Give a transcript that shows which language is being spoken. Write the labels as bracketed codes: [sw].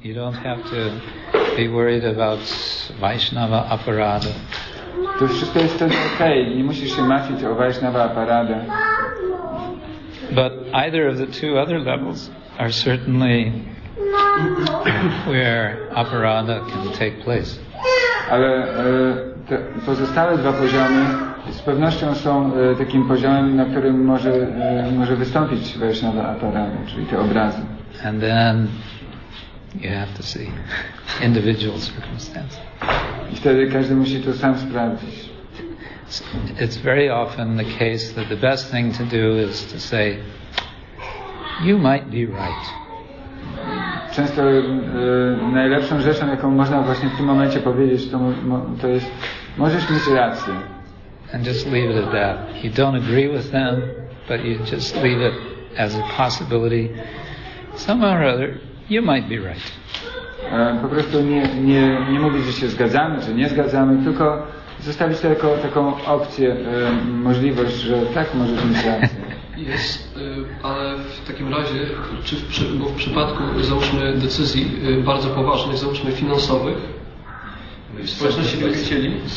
[en] You don't have to be worried about Vaishnava aparada. [pl] To wszystko jest okay. Nie musisz się martwić o Vaishnava aparada. [en] But either of the two other levels are certainly where aparada can take place. [pl] Ale te pozostałe dwa poziomy z pewnością są takim poziomem, na którym może wystąpić Vaishnava aparada, czyli te obrazy. [en] And then you have to see individual circumstances. [pl] I wtedy każdy musi to sam sprawdzić. [en] It's very often the case that the best thing to do is to say, you might be right. [pl] Często najlepszą rzeczą, jaką można właśnie w tym momencie powiedzieć, to jest, możesz mieć rację. [en] And just leave it at that. You don't agree with them, but you just leave it as a possibility. Somehow or other, you might be right. [pl] Po prostu nie mówić, że się zgadzamy, czy nie zgadzamy, tylko zostawić to jako taką opcję, możliwość, że tak, możesz mieć rację. Jest, ale w takim razie, bo w przypadku, załóżmy, decyzji bardzo poważnych, załóżmy finansowych, w społeczności by chcieli...